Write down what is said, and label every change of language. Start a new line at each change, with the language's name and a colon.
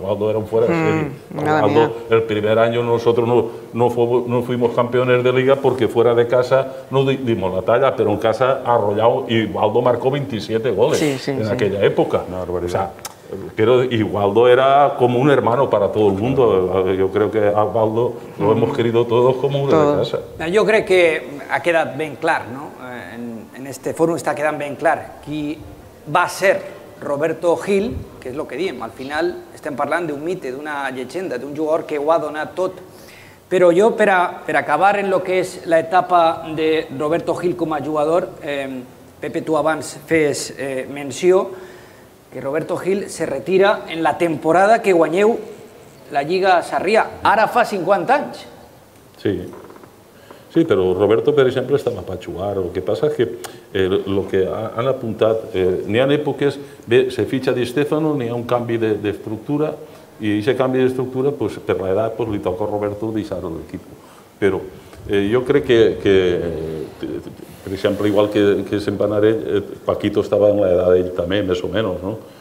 Spanish: Aldo era un fuera de serie. Aldo, el primer año nosotros no fuimos campeones de liga porque fuera de casa no dimos la talla, pero en casa arrollado, y Aldo marcó 27 goles en aquella época. O sea, pero Aldo era como un hermano para todo el mundo. Yo creo que a Aldo lo hemos querido todos como uno de casa. Yo creo que ha quedado bien claro, ¿no?
Catalan: En este fòrum està quedant ben clar qui va ser Roberto Gil, que és el que diem. Al final estem parlant d'un mite, d'una llegenda, d'un jugador que ho ha donat tot. Però jo, per acabar en el que és l'etapa de Roberto Gil com a jugador, Pepe, tu abans fes menció que Roberto Gil se retira en la temporada que guanyeu la Lliga Sarrià, ara fa 50 anys.
Spanish: Sí. Sí, pero Roberto, por ejemplo, estaba para jugar. Lo que pasa es que lo que han apuntado, ni han épocas, se ficha Di Stéfano, ni hay un cambio de estructura, y ese cambio de estructura, pues, por la edad, pues, le tocó a Roberto dejar el equipo. Pero yo creo que por ejemplo, igual que Sempanarell, Paquito estaba en la edad de él también, más o menos, ¿no?